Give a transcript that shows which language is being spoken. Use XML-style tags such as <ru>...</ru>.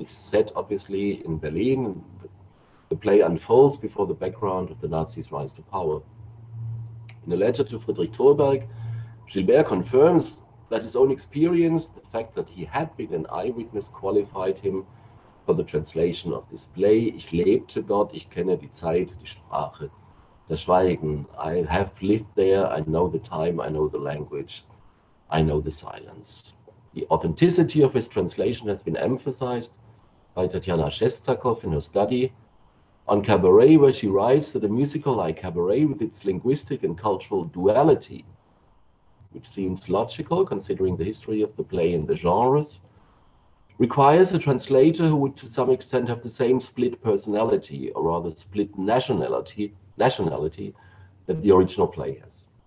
<en>It is set obviously in Berlin, and the play unfolds before the background of the Nazis' rise to power. In a letter to Friedrich Thorberg, Gilbert confirms that his own experience, the fact that he had been an eyewitness, qualified him for the translation of this play.</en> <de>Ich lebte dort, ich kenne die Zeit, die Sprache, das Schweigen.</de> <en>I have lived there, I know the time, I know the language, I know the silence. The authenticity of his translation has been emphasized by Tatiana Shestakov in her study on cabaret, where she writes that a musical like cabaret, with its linguistic and cultural duality, which seems logical considering the history of the play and the genres, requires a translator who would to some extent have the same split personality, or rather split nationality that the original play has.</en>